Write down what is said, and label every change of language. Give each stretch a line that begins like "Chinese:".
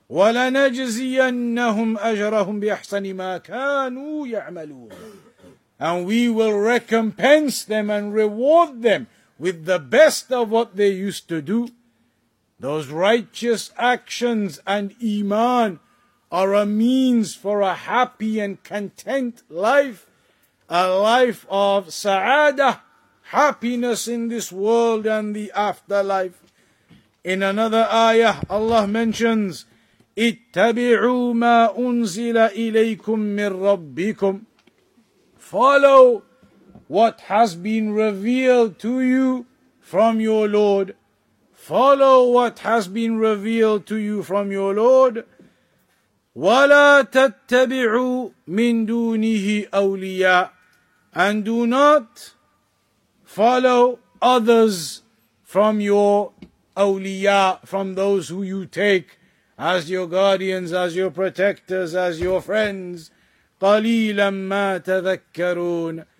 Arabic: وَلَنَجْزِيَنَّهُمْ أَجْرَهُمْ بِأَحْسَنِ مَا كَانُوا يَعْمَلُونَ,
English: and we will recompense them and reward them with the best of what they used to do. Those righteous actions and iman are a means for a happy and content life, a life of sa'adah, happiness in this world and the afterlife. In another ayah, Allah mentions,
Arabic: اتبعوا ما أنزل إليكم من ربكم.
English: Follow what has been revealed to you from your Lord. Follow what has been revealed to you from your Lord.
Arabic: ولا تتبعوا من دونه أولياء.
English: And do not follow others from your أولياء, from those who you take as your guardians, as your protectors, as your friends.
Arabic: قليلا ما تذكرون.